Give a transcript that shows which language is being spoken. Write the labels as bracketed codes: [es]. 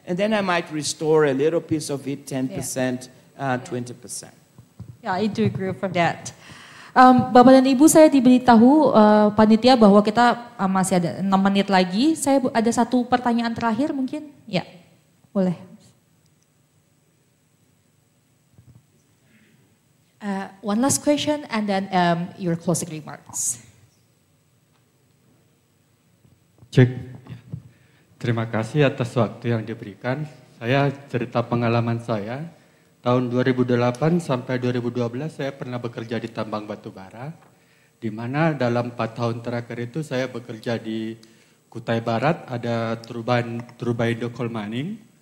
[en] And then I might restore a little piece of it, 10%, yeah. 20%. Yeah, I do agree with that. [id] Bapak dan Ibu, saya diberitahu panitia bahwa kita masih ada 6 menit lagi. Saya ada satu pertanyaan terakhir mungkin. Ya, boleh. [en] One last question and then your closing remarks. [id] Cek. Terima kasih atas waktu yang diberikan. Saya cerita pengalaman saya. Tahun 2008 sampai 2012 saya pernah bekerja di tambang batu bara, di mana dalam 4 tahun terakhir itu saya bekerja di Kutai Barat, ada turbine coal mining.